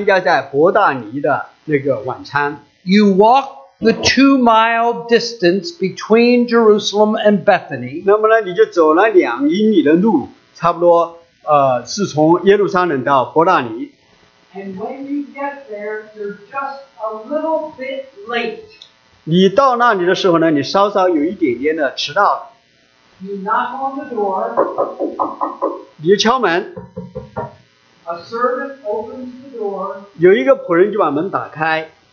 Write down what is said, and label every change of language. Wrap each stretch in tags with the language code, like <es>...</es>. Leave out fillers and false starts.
<zh>而你呢,也被邀请去参加在伯大尼的那个晚餐。</zh> <en>You walk the 2 mile distance between Jerusalem and Bethany.</en> <zh>那么呢,你就走了2英里的路, 差不多是从耶路撒冷到伯大尼。</zh> <en>And when you get there, you're just a little bit late.</en> <zh>你到那里的时候呢,你稍稍有一点点的迟到了。</zh> <en>You knock on the door.</en> <zh>你敲门。</zh> <en>A servant opens the door.</en> <zh>有一个仆人就把门打开。</zh>